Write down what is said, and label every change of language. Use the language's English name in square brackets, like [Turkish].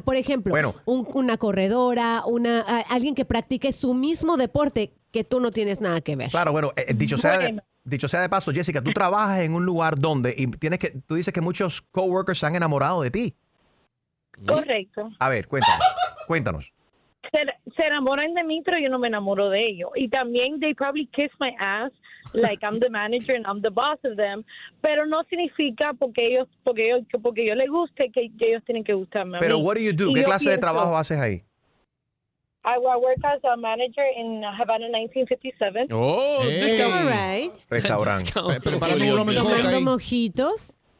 [Spanish] Por ejemplo, una corredora, alguien que practique su mismo deporte que tú no tienes nada que ver. Claro, bueno, dicho sea de paso, Jessica, tú trabajas en un lugar donde tú dices que muchos coworkers se han enamorado de ti. Correcto. A ver, cuéntanos. Se enamoran de mí, pero yo no me enamoro de ellos. Y también, [English] they probably kiss my ass, like I'm the manager and I'm the boss of them. [Spanish] Pero no significa porque yo les guste que ellos tienen que gustarme. Pero [English] what do you do? [Spanish] ¿Qué clase de trabajo haces ahí? [English] I work as a manager in Havana 1957. Oh, hey. Discount. [Spanish] Restaurante. ¿Preparando mojitos?